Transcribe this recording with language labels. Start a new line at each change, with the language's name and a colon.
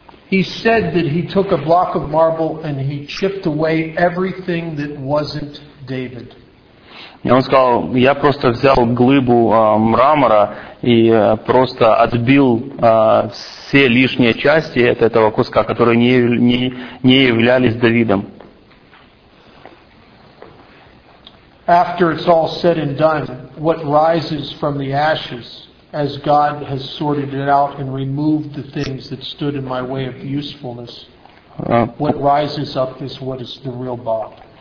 English: He said that he took a block of marble and he chipped away everything that wasn't David.
Russian: И он сказал, я просто взял глыбу мрамора и просто отбил все лишние части от этого куска, которые не являлись Давидом.
English: After it's all said and done, what rises from the ashes, as God has sorted it out and removed the things that stood in my way of usefulness, what rises up is what is the real Bob.